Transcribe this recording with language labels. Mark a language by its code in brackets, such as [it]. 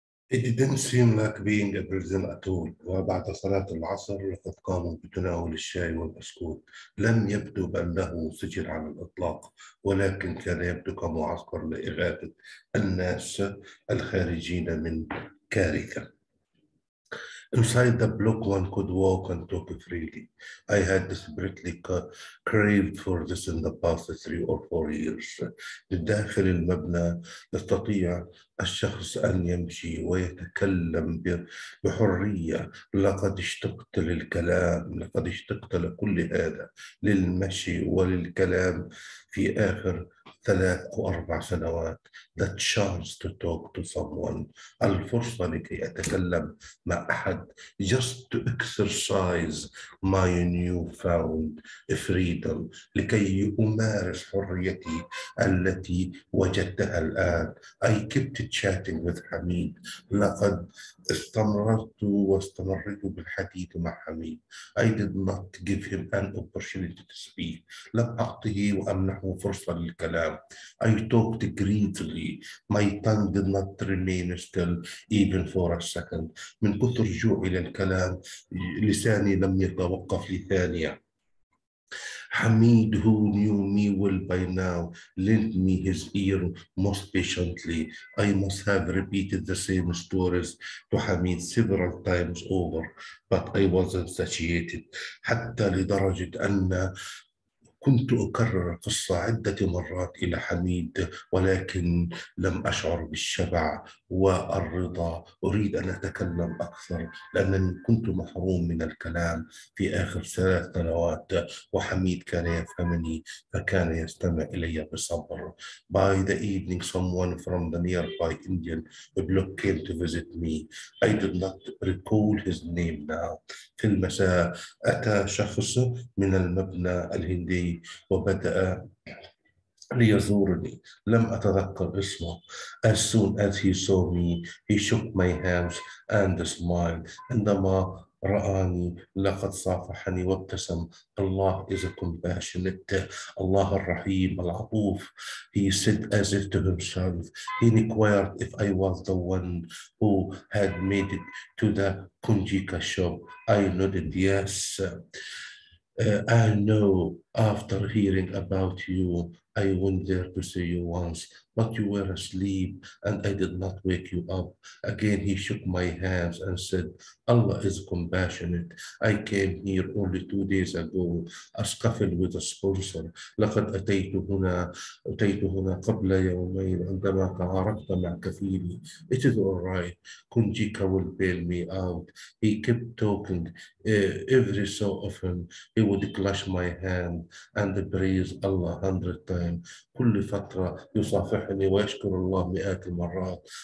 [en] It didn't seem like being a prison at all. [ar] وبعد صلاة العصر لقد قاموا بتناول الشاي والبسكوت. لم يبدو بأنه سجن على الإطلاق، ولكن كان يبدو كمعسكر لإغاثة الناس الخارجين من كاركة. [en] Inside the block, one could walk and talk freely. I had desperately craved for this in the past 3 or 4 years. [ar] بالداخل المبنى يستطيع الشخص أن يمشي ويتكلم بحرية. لقد اشتقت للكلام، لقد اشتقت لكل هذا، للمشي وللكلام في آخر 3 أو 4 سنوات. [en] The chance to talk to someone. [ar] الفرصة لكي أتكلم مع أحد. [en] Just to exercise my newfound freedom. [ar] لكي أمارس حريتي التي وجدتها الآن. [en] I kept chatting with Hamid. [ar] لقد استمرت واستمرت بالحديث مع حميد. [en] I did not give him an opportunity to speak. [ar] لم أعطه وأمنحه فرصة للكلام. [en] I talked greedily. My tongue did not remain still even for a second. [ar] من كثر جوعي للكلام لساني لم يتوقف لثانية. [en] Hamid, who knew me well by now, lent me his ear most patiently. I must have repeated the same stories to Hamid several times over, but I wasn't satiated. [ar] حتى لدرجة أن كنت أكرر القصة عدة مرات إلى حميد، ولكن لم أشعر بالشبع والرضا. أريد أن أتكلم أكثر لأنني كنت محروم من الكلام في آخر 3 سنوات، وحميد كان يفهمني فكان يستمع إلي بصبر. [en] By the evening, someone from the nearby Indian block came to visit me. I did not recall his name now. [ar] في المساء أتى شخص من المبنى الهندي وبدأ ليزورني. لم أتذكر اسمه. [en] As soon as he saw me, he shook my hands and smiled. [ar] عندما رآني لقد صافحني وابتسم. [en] الله is a compassionate. [ar] الله الرحيم العطوف. [en] He said as if to himself. He inquired if I was the one who had made it to the Kunjika shop. I nodded yes. I know after hearing about you, I went there to see you once, but you were asleep and I did not wake you up. Again, he shook my hands and said, Allah is compassionate. I came here only 2 days ago, a scuffle with a sponsor. [ar] لقد أتيت هنا قبل يومين عندما تعاركت مع كفيلي. [en] It is all right. Kunjika will bail me out. He kept talking. Every so often, he would clutch my hand and praise Allah 100 times. [ar] كل فترة يصافحني ويشكر الله 100 المرات.